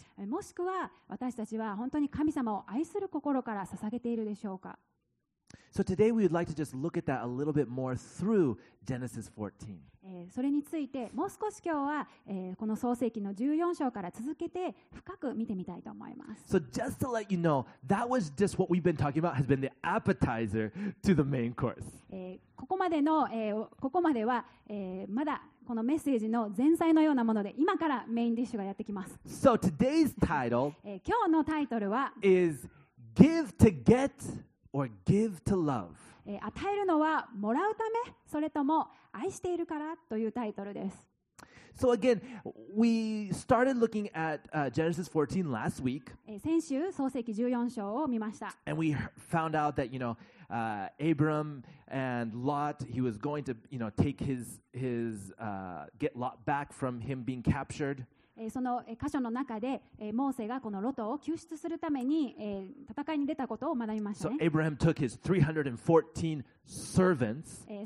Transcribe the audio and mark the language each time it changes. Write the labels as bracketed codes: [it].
[ja] もしくは私たちは本当に神様を愛する心から捧げているでしょうか。 [en] So today we would like to just look at that a little bit more through Genesis 14. [ja] それについてもう少し今日は、この創世記の14章から続けて深く見てみたいと思います。 [en] So just to let you know, that was just what we've been talking about has been the appetizer to the main course. [ja] ここまでの、ここまでは、まだこのメッセージの前菜のようなもので今からメインディッシュがやってきます。 [en] So today's title [ja] 今日のタイトルは [en] is Give to Get or Give to Love. [ja] 与えるのはもらうため、それとも愛しているからというタイトルです。 [en] So again, we started looking at Genesis 14 last week. [ja] 先週創世記14章を見ました。 [en] And we found out that, you know, Abram and Lot, he was going to, you know, take his get Lot back from him being captured. [ja] その箇所の中でモーセがこのロトを救出するために戦いに出たことを学びましたね。 [en] So Abraham took his 314 servants.